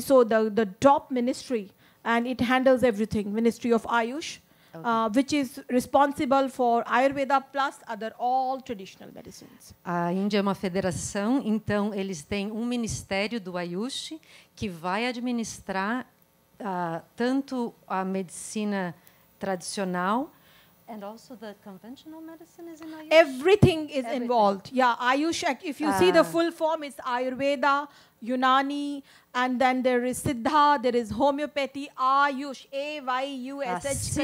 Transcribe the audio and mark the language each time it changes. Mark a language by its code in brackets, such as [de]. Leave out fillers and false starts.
[en] So the top ministry, and it handles everything. Ministry of Ayush. Which is responsible for Ayurveda plus other all traditional medicines. [pt] A Índia é uma federação, então eles têm um ministério do Ayush que vai administrar tanto a medicina tradicional [en] And also the conventional medicine is in Ayush? Everything is everything. Involved. Yeah, Ayush, if you see the full form, it's Ayurveda, Yunani, and then there is Siddha, there is homeopathy, Ayush, A-Y-U-S-H.